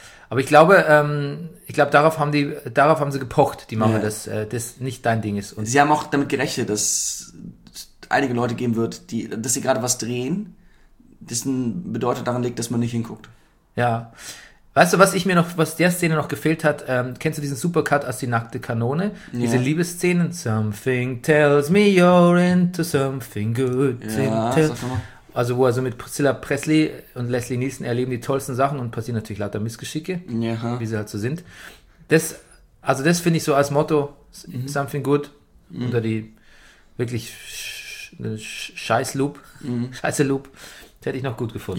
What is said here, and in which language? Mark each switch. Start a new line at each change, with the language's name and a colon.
German: Aber ich glaube, darauf haben sie gepocht, die Mama, dass das nicht dein Ding ist. Und sie haben auch damit gerechnet, dass einige Leute geben wird, dass sie gerade was drehen, dessen bedeutet daran liegt, dass man nicht hinguckt. Ja. Weißt du, was der Szene noch gefehlt hat, kennst du diesen Supercut als die nackte Kanone? Ja. Diese Liebesszenen.
English: Something tells me you're into something good.
German: Ja, sag mal. Also wo er so mit Priscilla Presley und Leslie Nielsen erleben die tollsten Sachen und passieren natürlich lauter Missgeschicke, ja. Wie sie halt so sind. Das finde ich so als Motto,
English: something good,
German: unter die wirklich Scheiß-Loop, Scheiße-Loop, das hätte ich noch gut gefunden.